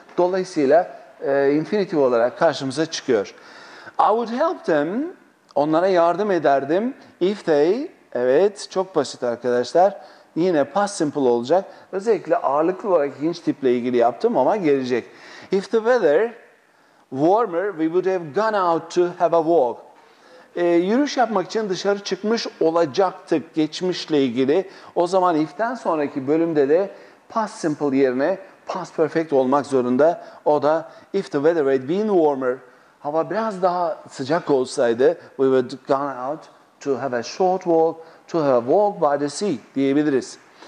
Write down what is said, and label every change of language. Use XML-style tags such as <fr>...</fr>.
<tr>Dolayısıyla infinitive olarak karşımıza çıkıyor.</tr> <en>I would help them.</en> <tr>Onlara yardım ederdim.</tr> <en>If they.</en> <tr>Evet çok basit arkadaşlar. Yine past simple olacak. Özellikle ağırlıklı olarak ikinci tiple ilgili yaptım ama gelecek.</tr> <en>If the weather warmer, we would have gone out to have a walk.</en> <tr>Yürüyüş yapmak için dışarı çıkmış olacaktık geçmişle ilgili. O zaman if'ten sonraki bölümde de past simple yerine past perfect olmak zorunda.</tr> <en>O da if the weather had been warmer,</en> <tr>hava biraz daha sıcak olsaydı,</tr> <en>we would have gone out to have a short walk, to have a walk by the sea diyebiliriz.</en>